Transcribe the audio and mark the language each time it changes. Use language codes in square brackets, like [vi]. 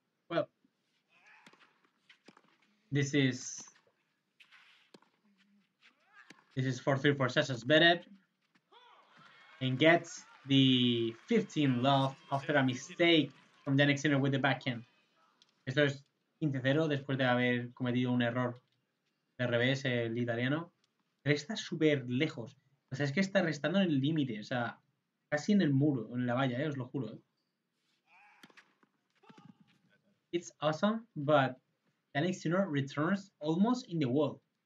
[en] Well, this is 4-3 for Sasha Zverev, and gets the 15 love after a mistake from Jannik Sinner with the backhand. [es] Esto es 15-0 después de haber cometido un error de revés el italiano. Resta súper lejos. O sea, es que está restando en el límite, o sea, casi en el muro, en la valla, os lo juro. [en] It's awesome, but Jannik Sinner returns almost in the wall.